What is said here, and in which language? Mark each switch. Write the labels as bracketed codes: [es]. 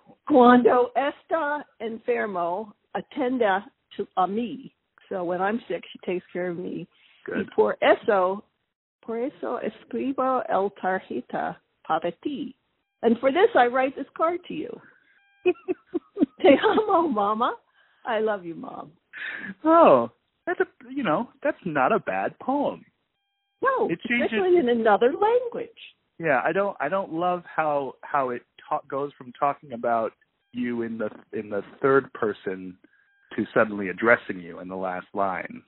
[es] Cuando está enfermo, atenda a mí. [en] So when I'm sick, she takes care of me. Good. [es] Y por eso escribo el tarjeta para ti. [en] And for this, I write this card to you. [es] Te amo, mama. [en] I love you, Mom. Oh, that's not a bad poem. No, it changes, especially in another language. Yeah, I don't love how it goes from talking about you in the third person to suddenly addressing you in the last line.